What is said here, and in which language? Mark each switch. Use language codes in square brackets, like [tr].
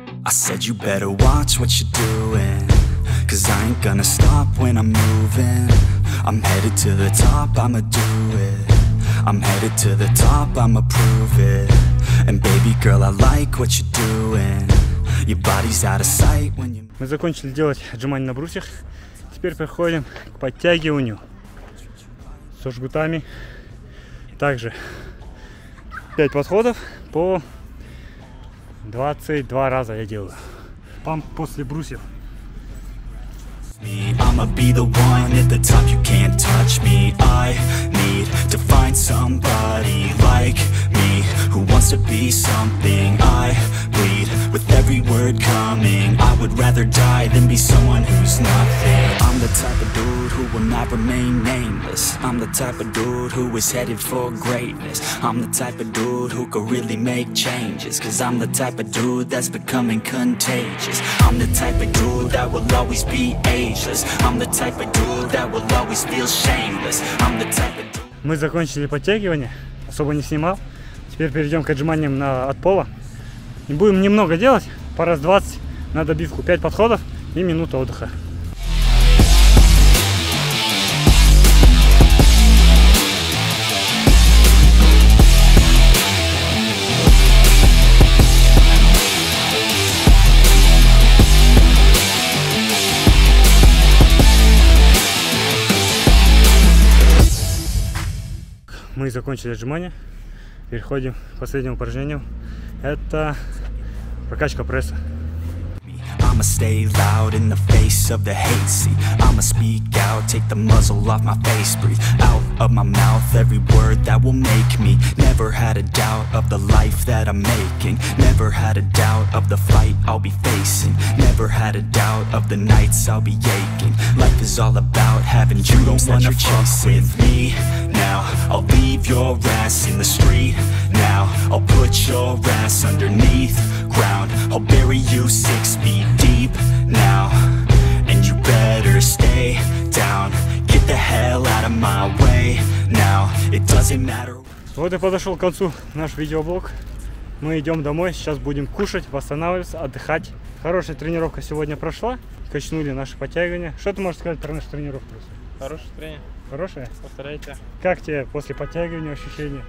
[en] I said you better watch what you're doing. Cause I ain't gonna stop when I'm moving. I'm headed to the top, I'ma do it. I'm headed to the top, I'ma prove it. And baby girl, I like what you're doing. Your body's out of sight when you... [ru] Мы закончили делать отжимания на брусьях. Теперь переходим к подтягиванию со жгутами. Также 5 подходов по 22 раза я делаю. Памп после брусьев. [en] I'ma be the one at the top, you can't touch me. I need to find somebody like me, who wants to be something. I bleed with every word coming. I would rather die than be someone who's nothing. I'm the type of dude who... who will not remain nameless. I'm the type of dude who is headed for greatness. I'm the type of dude who could really make changes, 'cause I'm the type of dude that's becoming contagious. I'm the type of dude that will always be ageless. I'm the type of dude that will always feel shameless. I'm the type of dude. [ru] Мы закончили подтягивание, особо не снимал. Теперь перейдем к отжиманиям от пола. И будем немного делать, по раз 20 на добивку. 5 подходов и минута отдыха. Мы закончили отжимания. Переходим к последнему упражнению. Это прокачка пресса. [en] I'ma stay loud in the face of the hate. See, I'ma speak out, take the muzzle off my face. Breathe out of my mouth every word that will make me. Never had a doubt of the life that I'm making. Never had a doubt of the fight I'll be facing. Never had a doubt of the nights I'll be aching. Life is all about having dreams that you're chasing. You don't wanna fuck with me now. I'll leave your ass in the street now. I'll put your ass underneath ground. I'll bury you 6 feet deep now, and you better stay down. Get the hell out of my way now. It doesn't matter. [ru] Вот и подошел к концу наш видеоблог. Мы идем домой, сейчас будем кушать, восстанавливаться, отдыхать. Хорошая тренировка сегодня прошла, качнули наши подтягивания. Что ты можешь сказать про нашу тренировку? Хороший тренер. Хорошая? Повторяйте. Как тебе после подтягивания ощущения?